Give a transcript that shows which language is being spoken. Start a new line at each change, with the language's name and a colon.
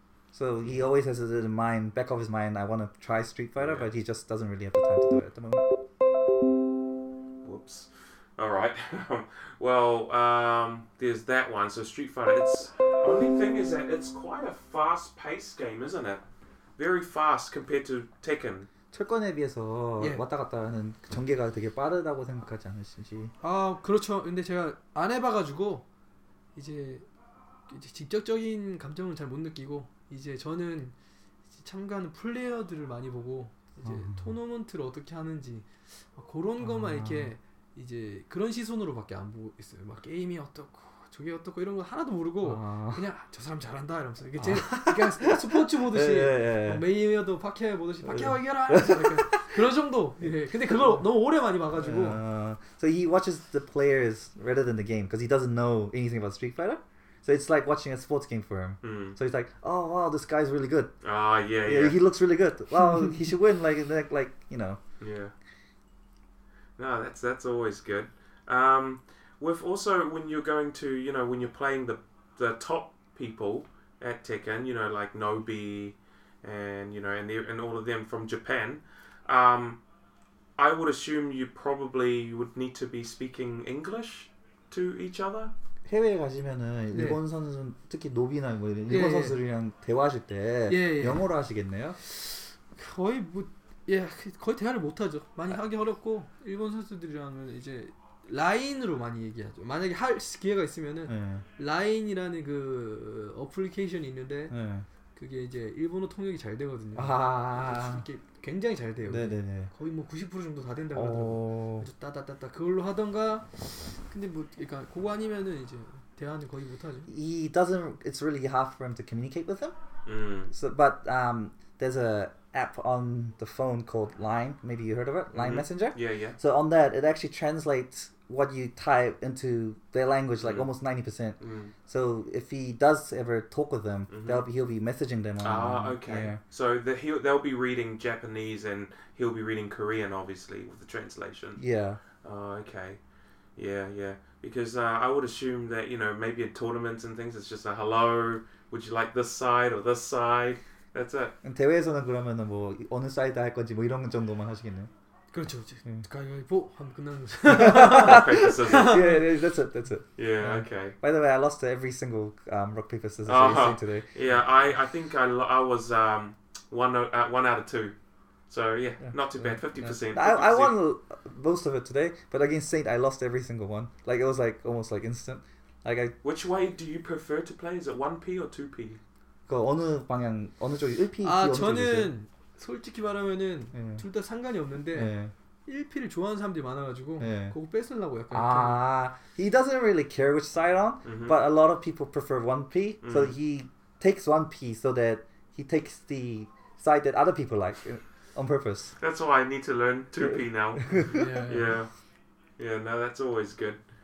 English: So he always has it in mind, back of his mind, I want to try Street Fighter, but he just doesn't really have the time to do it at the moment. Whoops. All right. Well, there's that one. So Street Fighter, it's... Only thing is that it's quite a fast-paced game, isn't it? Very fast compared to Tekken.
Korean: 철권에 비해서 왔다 갔다 하는 전개가 되게 빠르다고 생각하지 않으신지. 아 그렇죠. 근데 제가 안 해봐가지고 이제 직접적인 감정은 잘 못 느끼고 이제 저는 이제 참가하는 플레이어들을 많이 보고 이제 토너먼트를 어떻게 하는지 막 그런 것만 이렇게 이제 그런 시선으로밖에 안 보고 있어요. 막 게임이 어떻고 저게 어떻고 이런 거 하나도 모르고 그냥 저 사람 잘한다 이러면서 이게 제 그러니까 스포츠 보듯이 메이웨어도 파케 보듯이 파케 이겨라 그런 정도. 예. 근데 그걸 너무 오래 많이 봐가지고.
English: So he watches the players rather than the game because he doesn't know anything about Street Fighter. So it's like watching a sports game for him. So he's like, oh wow, this guy's really good. Ah yeah. He looks really good. Wow, he should win. Like you know. Yeah. No, that's always good. with also when you're going to, you know, when you're playing the top people at Tekken, you know, like Nobi and, you know, and all of them from Japan, I would assume you probably would need to be speaking English to each other.
Korean: 해외에 가시면은 일본 네. 선수 특히 노비나 뭐 일본 예, 선수들이랑 예. 대화하실 때 예, 예. 영어로 하시겠네요? 거의 뭐 예 거의 대화를 못 하죠. 많이 아, 하기 어렵고 일본 선수들이랑은 이제 라인으로 많이 얘기하죠. 만약에 할 기회가 있으면은 예. 라인이라는 그 어플리케이션이 있는데 예. 그게 이제 일본어 통역이 잘 되거든요. 아, 이게 굉장히 잘 돼요. 네네네. 거의 뭐 90% 정도 다 된다고 하더라고요. 따다다다 그걸로 하던가. 근데 뭐, 그러니까 그거 아니면은 이제 대화는 거의 못하죠.
English: He doesn't. It's really hard for him to communicate with him. Mm. So, but there's a app on the phone called Line. Maybe you heard of it, Line mm-hmm. Messenger. Yeah, yeah. So on that, it actually translates what you type into their language, like mm. almost 90%. Mm. So if he does ever talk with them, mm-hmm. he'll be messaging them. Ah, okay. Yeah. So they'll be reading Japanese and he'll be reading Korean, obviously, with the translation. Yeah. Okay. Yeah, yeah. Because I would assume that, you know, maybe at tournaments and things, it's just a hello, would you like this side or this side? That's it.
Korean: 대회에서는 그러면은 뭐 어느 사이드 할 건지 뭐 이런 정도만 하시겠네요. 그렇죠, 그렇죠. 가위바위보 한번 끝나는 거죠.
English: Rock, paper, scissors. Yeah, that's it, that's it. Yeah, okay. By the way, I lost to every single rock, paper, scissors uh-huh. thing today. Yeah, I think I was one out of two. So yeah, not too bad, 50%. I won most of it today, but against Saint, I lost every single one. Like, it was like almost like instant. Like, I... Which way do you prefer to play? Is it 1P or 2P?
Korean: 그 어느 방향, 어느 쪽이 1P, 아, 어느 저는... 쪽이세요? 솔직히 말하면은 예. 둘 다 상관이 없는데 예. 1P를 좋아하는 사람들이 많아가지고 예. 그거 뺏으려고 약간
English: 아, He doesn't really care which side on mm-hmm. but a lot of people prefer 1P mm-hmm. so he takes 1P so that he takes the side that other people like on purpose. That's why I need to learn 2P now. Yeah, yeah. Yeah. Yeah, no, that's always good.